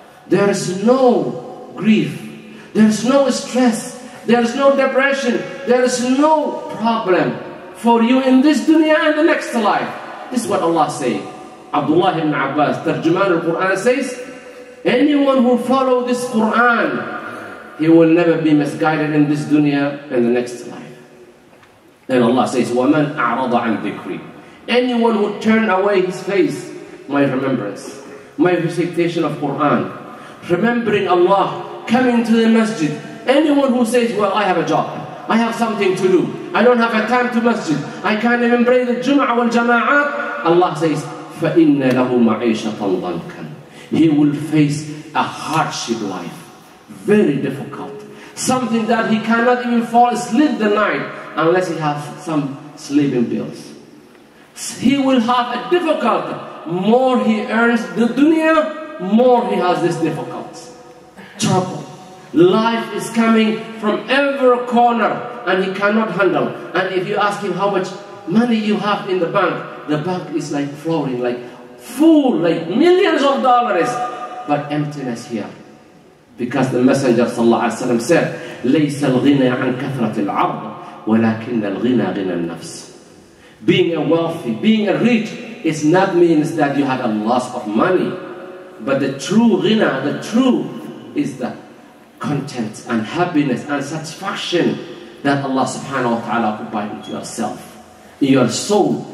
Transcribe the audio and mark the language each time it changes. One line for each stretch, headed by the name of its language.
English: There is no grief, there is no stress, there is no depression, there is no problem for you in this dunya and the next life. This is what Allah says. Abdullah ibn Abbas, Tarjuman al-Quran, says, anyone who follows this Quran, he will never be misguided in this dunya and the next life. And Allah says,
Arabic: وَمَنْ أَعْرَضَ عَنْ ذِكْرِي.
English: Anyone who turned away his face, my remembrance, my recitation of Quran, remembering Allah, coming to the masjid. Anyone who says, well, I have a job, I have something to do, I don't have a time to masjid, I can't even pray the Jum'ah wal Jama'at, Allah says,
Arabic: فَإِنَّ لَهُ مَعِيشَةً ضَنْكًا.
English: He will face a hardship life, very difficult, something that he cannot even fall asleep the night unless he has some sleeping pills. He will have a difficulty. More he earns the dunya, more he has this difficulty. Trouble. Life is coming from every corner and he cannot handle. And if you ask him how much money you have in the bank is like flowing, like full, like millions of dollars. But emptiness here. Because the Messenger ﷺ said,
Arabic: ليس الغنى عن كثرة العرض ولكن الغنى غنى النفس.
English: Being a wealthy, being a rich, it's not means that you have a loss of money. But the true ghina, the truth is the content and happiness and satisfaction that Allah subhanahu wa ta'ala provide into yourself, in your soul.